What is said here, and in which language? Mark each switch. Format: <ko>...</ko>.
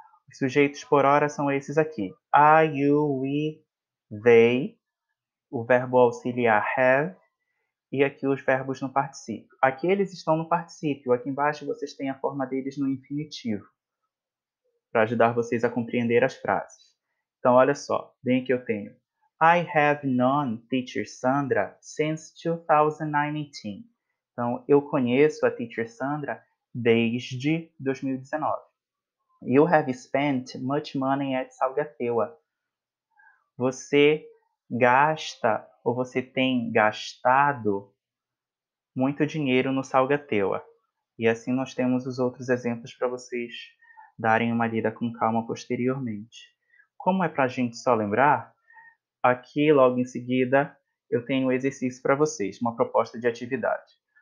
<pt>Os sujeitos por hora são esses aqui. I, you, we, they, o verbo auxiliar have, e aqui os verbos no particípio. Aqui eles estão no particípio. Aqui embaixo vocês têm a forma deles no infinitivo, para ajudar vocês a compreender as frases. Então, olha só, bem aqui eu tenho.</pt> <en>I have known teacher Sandra since 2019.</en> <pt>Então, eu conheço a teacher Sandra desde 2019.</pt> <en>You have spent much money at Salgateua.</en> <pt>Você gasta ou você tem gastado muito dinheiro no Salgateua. E assim nós temos os outros exemplos para vocês darem uma lida com calma posteriormente. Como é para a gente só lembrar? Aqui, logo em seguida, eu tenho um exercício para vocês, uma proposta de atividade.</pt>